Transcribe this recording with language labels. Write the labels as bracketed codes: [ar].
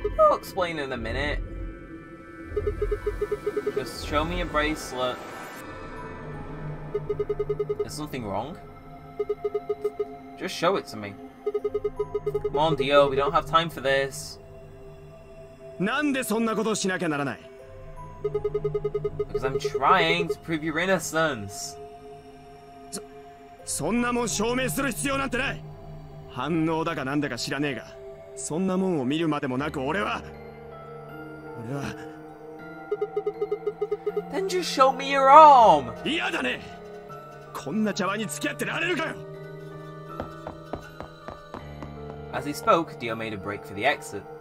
[en] I'll explain in a minute. Just show me your bracelet. Is something wrong? Just show it to me. Come on, Dio, we don't have time for this. [ja] なんでそんなことをしなきゃならない? [en] Because I'm trying to prove your innocence. [ja] そんなもん証明する必要なんてない!反応だか何だか知らねえが、 そんなもんを見るまでもなく俺は… 俺は… [en] Then just show me your arm! [ja] 嫌だね! こんな茶番に付き合ってられるかよ! [en] As he spoke, Dio made a break for the exit.